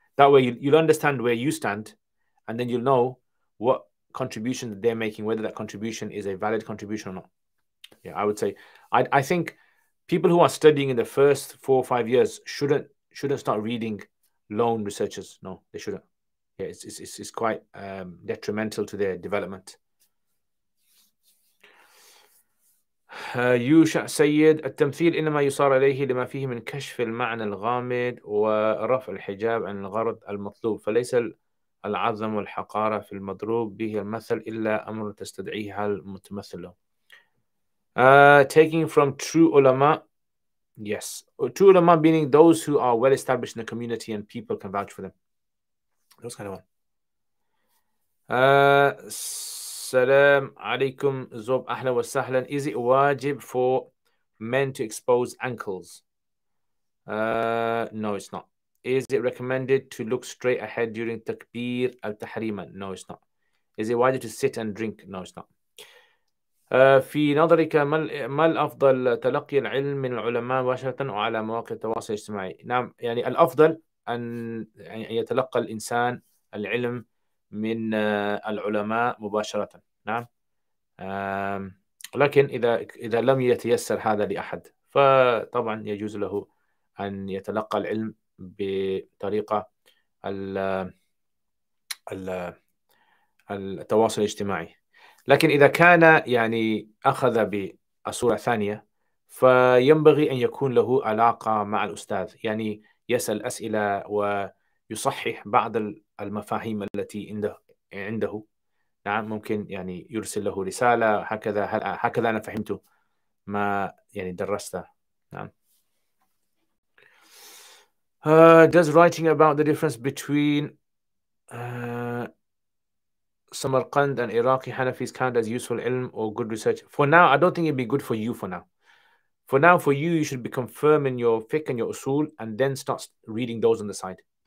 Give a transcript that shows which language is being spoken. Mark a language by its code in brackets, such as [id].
[en] That way you'll understand where you stand and then you'll know what contribution that they're making, whether that contribution is a valid contribution or not. Yeah, I would say, I think people who are studying in the first 4 or 5 years shouldn't start reading lone researchers. No, they shouldn't. Yeah, it's quite detrimental to their development. [ar] Yusha Sayyid, التمثيل إنما يصار عليه لما فيه من كشف المعنى الغامض ورفع الحجاب عن الغرض المطلوب فليس العظم والحقارة في المضروب به المثل إلا أمر تستدعيها المتمثل. [en] Taking from true ulama, yes. True ulama meaning those who are well established in the community and people can vouch for them. Those kind of one. [ar] Salam alaikum zob ahla wa sahlan. [en] Is it wajib for men to expose ankles? No, it's not. Is it recommended to look straight ahead during takbir al tahriman? No, it's not. Is it wajib to sit and drink? No, it's not. [ar] في نظرك ما الأفضل تلقي العلم من العلماء مباشرة وعلى مواقع التواصل الاجتماعي؟ نعم، يعني الأفضل أن يتلقى الإنسان العلم من العلماء مباشرة. نعم، لكن إذا لم يتيسر هذا لأحد فطبعا يجوز له أن يتلقى العلم بطريقة التواصل الاجتماعي. لكن إذا كان يعني أخذ بصورة ثانية فينبغي أن يكون له علاقة مع الأستاذ، يعني يسأل أسئلة ويصحح بعض المفاهيم التي عنده. نعم، ممكن يعني يرسل له رسالة هكذا، هل هكذا أنا فهمت ما يعني درسته. نعم. [en] Does writing about the difference between Samarkand and Iraqi Hanafis count as useful ilm or good research? For now, I don't think it'd be good for you for now. For now, for you, you should be confirming your fiqh and your usul and then start reading those on the side.